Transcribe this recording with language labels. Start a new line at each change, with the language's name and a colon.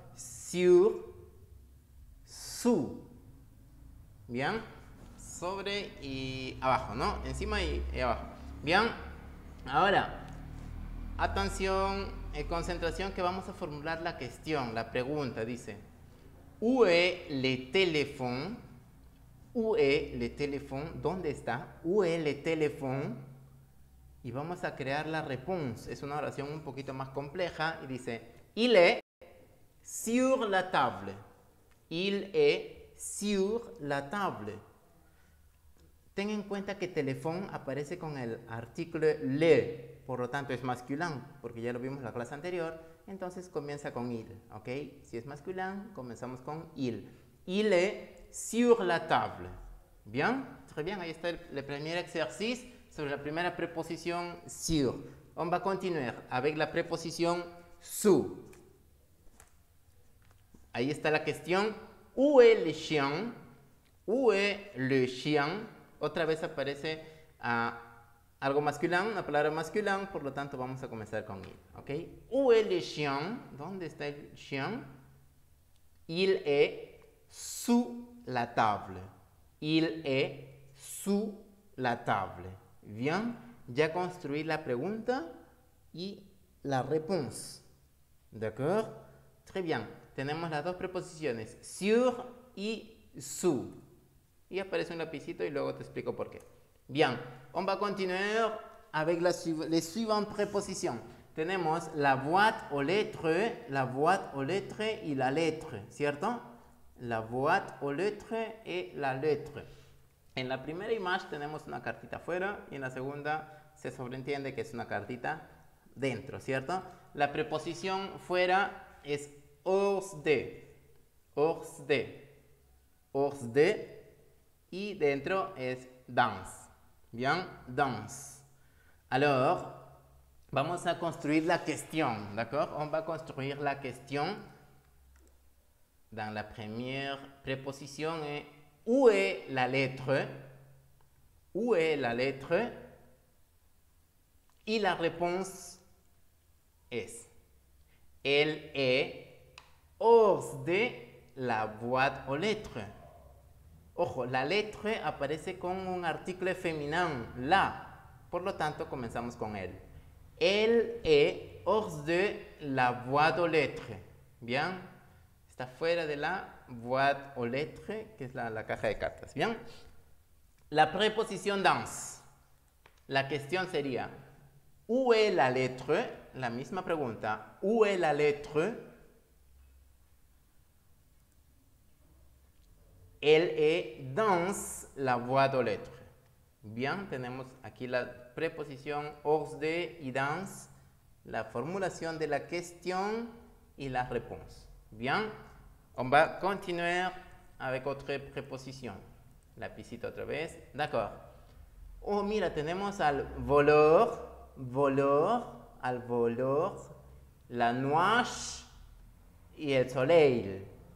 French: Sur. Su. Bien.
Spanish: Sobre y abajo, ¿no? Encima y abajo. Bien. Ahora, atención y concentración, que vamos a formular la cuestión, la pregunta.
French: Dice: ¿Où est le téléphone? ¿Où est le téléphone?
Spanish: ¿Dónde está?
French: ¿Où est le téléphone?
Spanish: Y vamos a crear la réponse. Es una oración un poquito más compleja y dice:
French: Il est sur la table. Il est sur la table.
Spanish: Ten en cuenta que teléfono aparece con el artículo le, por lo tanto es masculino, porque ya lo vimos en la clase anterior, entonces comienza con il, ¿ok? Si es masculino, comenzamos con il.
French: Il est sur la table.
Spanish: ¿Bien?
French: Très bien,
Spanish: ahí está el primer ejercicio sobre la primera preposición sur.
French: On va
Spanish: a continuar avec la preposición su. Ahí está la cuestión:
French: ¿Où est le chien? ¿Où est le chien?
Spanish: Otra vez aparece algo masculino, una palabra masculina, por lo tanto vamos a comenzar con il, ¿ok?
French: Où est le chien?
Spanish: ¿Dónde está el
French: chien? Il est sous la table. Il est sous la table.
Spanish: Bien, ya construí la pregunta y
French: la réponse. ¿D'accord?
Spanish: Très bien, tenemos las dos preposiciones, sur y sous. Y aparece un lapicito y luego te explico por qué. Bien, on va continuar avec la suivante preposición.
French: Tenemos la boîte aux lettres, la boîte aux lettres y la lettre, ¿cierto? La boîte aux lettres y la lettre.
Spanish: En la primera imagen tenemos una cartita afuera y en la segunda se sobreentiende que es una cartita dentro, ¿cierto? La preposición fuera es hors de.
French: Hors de. Hors de. Y dentro es dans. Bien, dans.
Spanish: Alors, vamos a construir la cuestión, ¿d'accord? On va a construir la cuestión.
French: Dans la première preposición es où est la lettre? Où est la lettre?
Spanish: Y la réponse es:
French: elle est hors de la boîte aux lettres.
Spanish: Ojo, la lettre aparece con un artículo femenino, la. Por lo tanto, comenzamos con él.
French: Elle est hors de la boîte aux lettres. Bien.
Spanish: Está fuera de la boîte aux lettres, que es la caja de cartas. Bien. La preposición dans. La cuestión sería:
French: Où est la lettre?
Spanish: La misma pregunta.
French: Où est la lettre? Elle est dans la boîte aux lettres.
Spanish: Bien, tenemos aquí la preposición hors de y dans, la formulación de la cuestión y la réponse. Bien, on va continuar avec otra preposición. Lapicito otra vez. D'accord. Oh, mira, tenemos al voleur, voleur, al voleur, la nuage y el soleil.